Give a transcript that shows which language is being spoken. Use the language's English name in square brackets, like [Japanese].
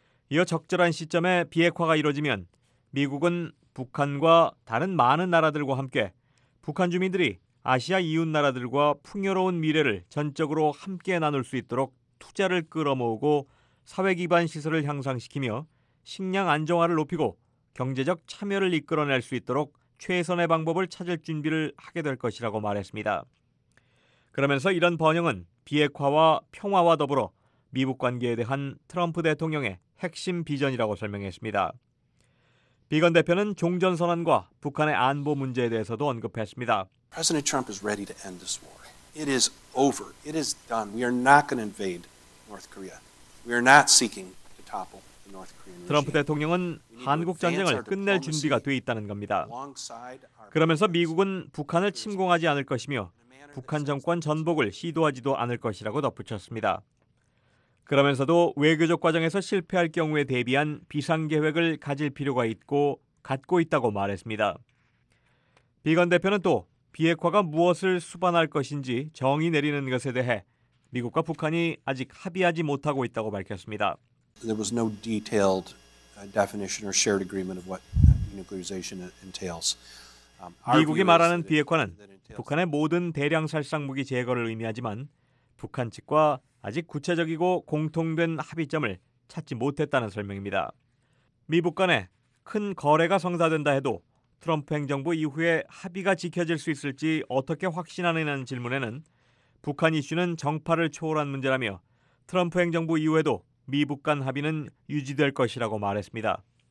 [Korean] 이어 적절한 시점에 비핵화가 이루어지면 미국은 북한과 다른 많은 나라들과 함께 북한 주민들이 아시아 이웃 나라들과 풍요로운 미래를 전적으로 함께 나눌 수 있도록 투자를 끌어모으고 사회 기반 시설을 향상시키며 식량 안정화를 높이고 경제적 참여를 이끌어낼 수 있도록 최선의 방법을 찾을 준비를 하게 될 것이라고 말했습니다. 그러면서 이런 번영은 비핵화와 평화와 더불어 미북 관계에 대한 트럼프 대통령의 핵심 비전이라고 설명했습니다. 비건 대표는 종전선언과 북한의 안보 문제에 대해서도 언급했습니다. [English] President Trump is ready to end this war. It is over. It is done. We are not going to invade North Korea. We are not seeking to topple the North Korean regime. [Korean] 트럼프 대통령은 한국 전쟁을 끝낼 준비가 돼 있다는 겁니다. 그러면서 미국은 북한을 침공하지 않을 것이며 북한 정권 전복을 시도하지도 않을 것이라고 덧붙였습니다. 그러면서도 외교적 과정에서 실패할 경우에 대비한 비상계획을 가질 필요가 있고 갖고 있다고 말했습니다. 비건 대표는 또 비핵화가 무엇을 수반할 것인지 정의 내리는 것에 대해 미국과 북한이 아직 합의하지 못하고 있다고 밝혔습니다. [English] There was no detailed definition or shared agreement of what denuclearization entails. [Korean] 미국이 말하는 비핵화는 북한의 모든 대량 살상 무기 제거를 의미하지만 북한 측과 아직 구체적이고 공통된 합의점을 찾지 못했다는 설명입니다. 미북 간에 큰 거래가 성사된다 해도 트럼프 행정부 이후에 합의가 지켜질 수 있을지 어떻게 확신하느냐는 질문에는 북한 이슈는 정파를 초월한 문제라며 트럼프 행정부 이후에도 미북 간 합의는 유지될 것이라고 말했습니다.